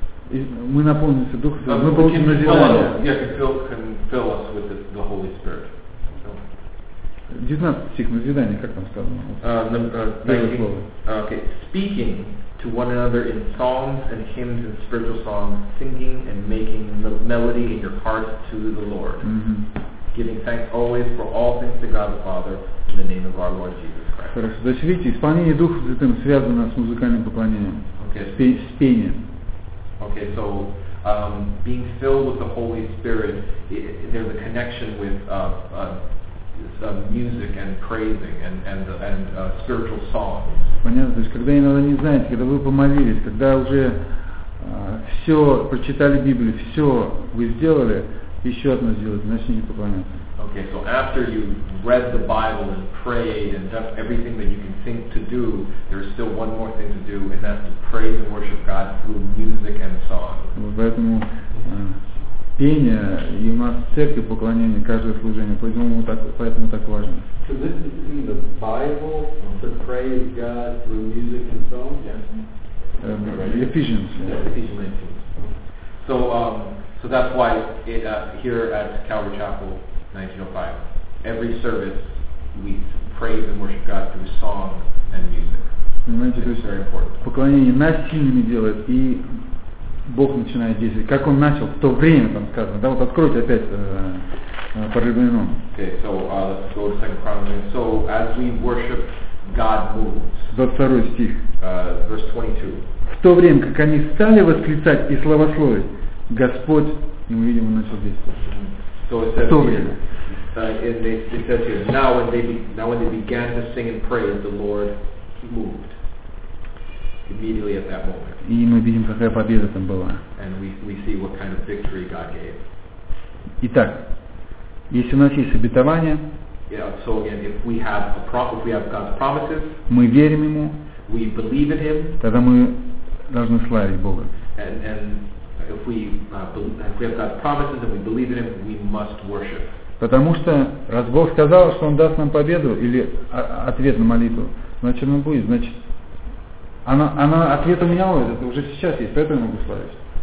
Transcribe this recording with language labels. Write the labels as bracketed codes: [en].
[ru] Мы наполнимся Духом Святым, мы получим назидание. [en] Can fill us with the Holy Spirit. [ru] 19 стих, назидание, как там сказано? [en] Speaking to one another in psalms and hymns and spiritual songs, singing and making melody in your heart to the Lord. Giving thanks always for all things to God the Father in the name of our Lord Jesus. [ru] Хорошо. Значит, видите, исполнение Духа Святым связано с музыкальным поклонением, с пением. [en] Okay, so being filled with the Holy Spirit, there's a connection with music and praising and spiritual songs. [ru] Понятно. То есть, когда иногда не знаете, когда вы помолились, когда уже все прочитали Библию, все вы сделали, еще одно сделать, начните поклоняться. [en] Okay, so after you've read the Bible and prayed and done everything that you can think to do, there's still one more thing to do, and that's to praise and worship God through music and song. [ru] Вот поэтому пение и у нас в церкви поклонение, каждое служение, поэтому так важно. [en] So this is in the Bible to praise God through music and song? Yes. Ephesians. Yeah, Ephesians 19. So that's why here at Calvary Chapel, 1905. Every service we praise and worship God through song and music. [ru] Понимаете, то есть поклонение насильными делает, и Бог начинает действовать. Как Он начал, в то время там сказано. Да, вот откройте опять Паралипоменон. [en] Okay, so let's go to 2 Chronicles. So as we worship, God moves. [ru] 22 стих. [en] Verse 22. [ru] В то время, как они стали восклицать и славословить, Господь, и мы видим, Он начал действовать. [en] So it says now when they began to sing and praise, the Lord moved immediately at that moment. [ru] И мы видим, какая победа там была. [en] And we see what kind of victory God gave. [ru] Итак, если у нас есть обетование, [en] yeah, so again, if we have a if we have God's promises, [ru] мы верим ему, [en] we believe in him, [ru] тогда мы должны славить Бога. [en] And if we have God's promises and we believe in Him, we must worship. [ru] Потому что раз Бог сказал, что Он даст нам победу или ответ на молитву, значит, Он будет. Значит, она ответ у меня уже, это уже сейчас есть, поэтому я могу славить.